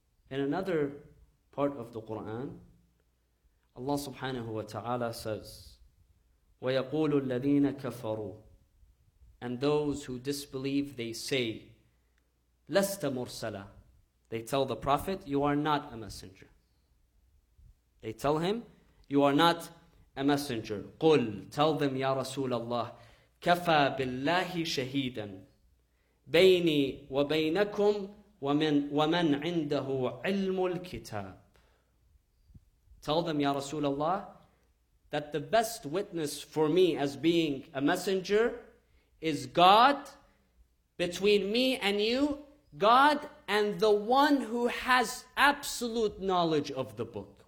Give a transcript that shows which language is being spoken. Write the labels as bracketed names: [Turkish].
[English] In another part of the Quran, Allah subhanahu wa ta'ala says, [Arabic] وَيَقُولُ الَّذِينَ كَفَرُوا, [English] and those who disbelieve, they say, [Arabic] لَسْتَ مُرْسَلًا, [English] they tell the Prophet, you are not a messenger. They tell him, you are not a messenger. [Arabic] قُلْ, [English] tell them, [Arabic] يَا رَسُولَ اللَّهِ, كَفَى بِاللَّهِ شَهِيدًا بَيْنِي وَبَيْنَكُمْ وَمَنْ عِنْدَهُ عِلْمُ الْكِتَابِ. [English] Tell them, [Arabic] يَا رَسُولَ اللَّهِ, [English] that the best witness for me as being a messenger is God, between me and you, God and the one who has absolute knowledge of the book.